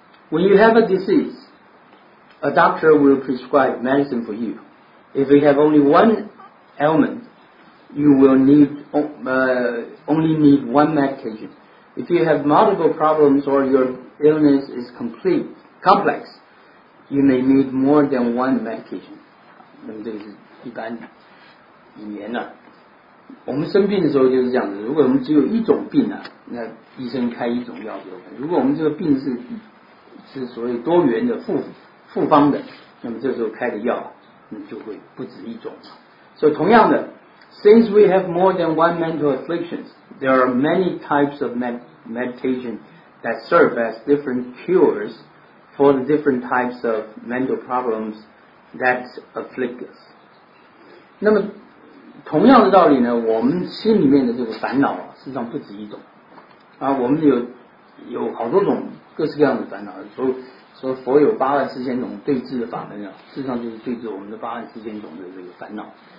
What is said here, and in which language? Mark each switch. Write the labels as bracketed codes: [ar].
[en] When you have a disease, a doctor will prescribe medicine for you. If you have only one ailment, you will only need one medication. If you have multiple problems or your illness is complex, you may need more than one medication. [zh] 那么这个是一般语言呢、啊。我们生病的时候就是这样子，如果我们只有一种病啊，那医生开一种药就 OK。如果我们这个病是所谓多元的复方的，那么这时候开的药就会不止一种。所以同样的 [en] ，since we have more than one mental afflictions, there are many types of meditation that serve as different cures for the different types of mental problems that afflict us。 [zh] 那么同样的道理呢，我们心里面的这个烦恼啊，实际上不止一种啊，我们有好多种各式各样的烦恼。说佛有八万四千种对治的法门啊，事实上就是对治我们的八万四千种的这个烦恼。